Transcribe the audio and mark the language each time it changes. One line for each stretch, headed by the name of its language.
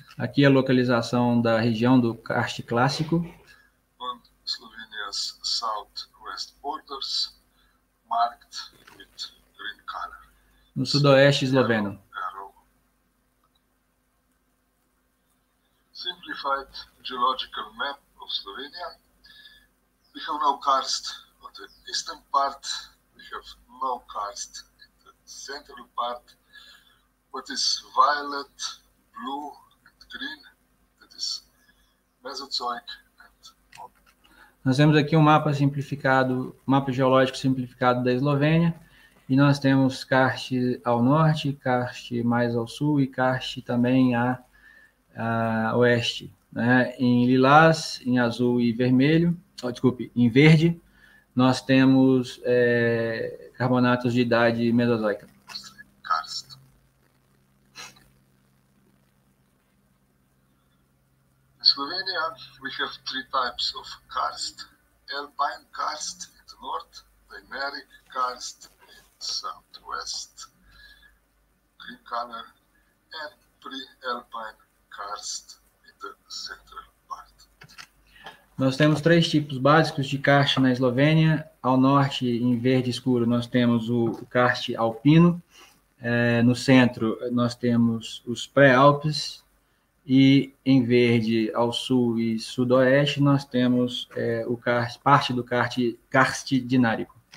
Portuguese: Aqui a localização da região do karst clássico.
English: On Slovenia's southwest borders, marked with green color.
Portuguese: No sudoeste esloveno.
English: Simplified geological map of Slovenia. We have no karst on the eastern part. We have no karst in the central part. What is violet, blue, and green, that is Mesozoic and modern.
Portuguese: Nós temos aqui um mapa simplificado, mapa geológico simplificado da Eslovênia, e nós temos karst ao norte, karst mais ao sul e karst também a oeste. Né? Em lilás, em azul e vermelho, em verde, nós temos carbonatos de idade mesozoica. Karst.
English: In Slovenia, we have three types of karst. Alpine karst in the north, dynaric karst in the southwest, green color, and pre-alpine karst in the central part.
Portuguese: Nós temos três tipos básicos de karst na Eslovênia. Ao norte, em verde escuro, nós temos o karst alpino. No centro, nós temos os pré-alpes. E em verde, ao sul e sudoeste, nós temos parte do karst dinárico.